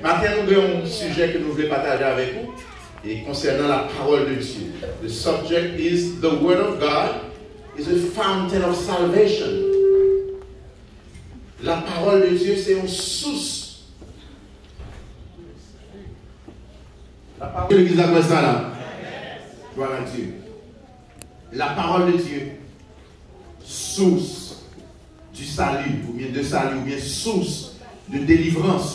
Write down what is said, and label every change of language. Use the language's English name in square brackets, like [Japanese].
[French] Maintenant, nous avons un sujet que nous voulons partager avec vous et concernant la parole de Dieu. [English] The subject is the word of God is a fountain of salvation. [French] La parole de Dieu, c'est une source. La parole de l'Église après ça, là. Gloire à Dieu. La parole de Dieu, source du salut, ou bien de salut, ou bien source de délivrance.